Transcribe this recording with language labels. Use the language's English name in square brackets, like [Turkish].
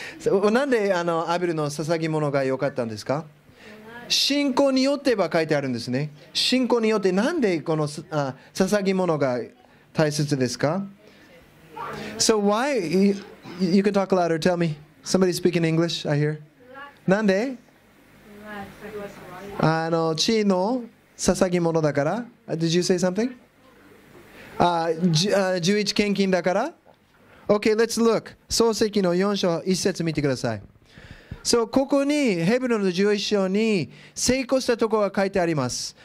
[Japanese] So, なんでアベルの捧げ物が良かったんですか。信仰によっては書いてあるんですね。信仰によって、なんでこの捧げ物が大切ですか。 [English] So why you can talk louder, tell me. Somebody speak in English, I hear. [Japanese] なんで地の捧げ物だから。 [English] Did you say something? [Japanese] 11献金だから。 [English] Okay, let's look. [Japanese] 創世記の4章1節見てください。So, ここにヘブルの11章に成功したところが書いてあります。